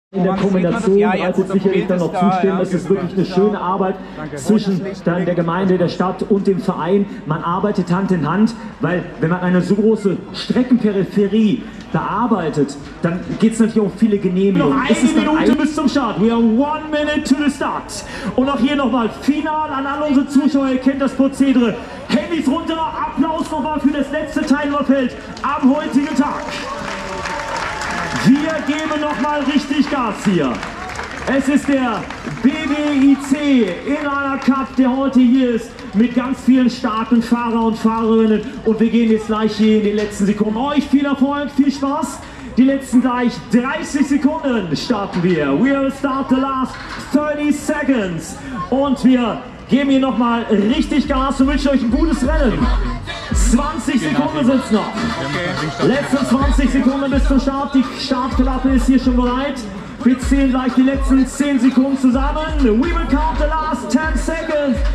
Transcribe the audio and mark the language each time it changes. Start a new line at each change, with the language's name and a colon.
German: In der Kombination reicht es sicherlich dann noch zustimmen. Es ist wirklich eine schöne Arbeit zwischen dann der Gemeinde, der Stadt und dem Verein. Man arbeitet Hand in Hand, weil wenn man eine so große Streckenperipherie bearbeitet, dann geht es natürlich um viele Genehmigungen. Noch eine Minute bis zum Start.
English: We are 1 minute to the start.
German: Und auch hier nochmal, final an all unsere Zuschauer, ihr kennt das Prozedere. Handys runter, Applaus nochmal für das letzte Teilnehmerfeld am heutigen Tag. Wir geben nochmal richtig Gas hier. Es ist der BWIC in einer Cup, der heute hier ist, mit ganz vielen starken Fahrer und Fahrerinnen. Und wir gehen jetzt gleich hier in die letzten Sekunden. Euch viel Erfolg, viel Spaß. Die letzten gleich 30 Sekunden starten wir.
English: We will start the last 30 seconds.
German: Und wir geben hier nochmal richtig Gas und wünschen euch ein gutes Rennen. 20 Sekunden sind es noch. Letzte 20 Sekunden bis zum Start. Die Startklappe ist hier schon bereit. Wir zählen gleich die letzten 10 Sekunden zusammen.
English: We will count the last 10 seconds.